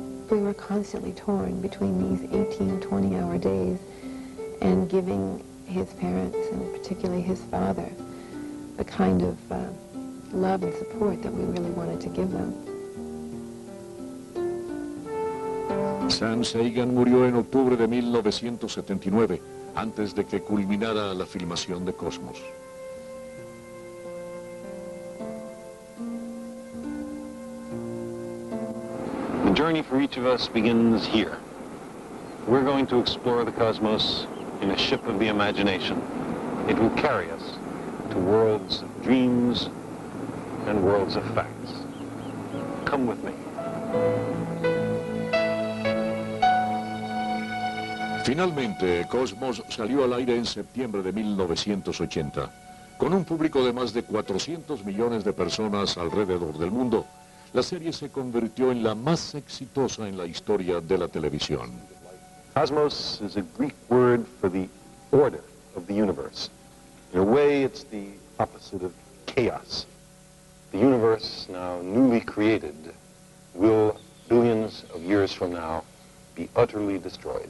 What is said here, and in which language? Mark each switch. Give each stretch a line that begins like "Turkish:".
English: We were constantly torn between these 18, 20-hour days and giving his parents, and particularly his father, the kind of love and support that we really wanted to give them.
Spanish: Sam Sagan murió en octubre de 1979, antes de que culminara la filmación de Cosmos.
English: The journey for each of us begins here. We're going to explore the cosmos in a ship of the imagination. It will carry us to worlds of dreams and worlds of facts. Come with me.
Spanish: Finalmente, Cosmos salió al aire en septiembre de 1980. Con un público de más de 400 millones de personas alrededor del mundo, la serie se convirtió en la más exitosa en la historia de la televisión.
English: Cosmos is a Greek word for the order of the universe. In a way, it's the opposite of chaos. The universe, now newly created, will, billions of years from now, be utterly destroyed.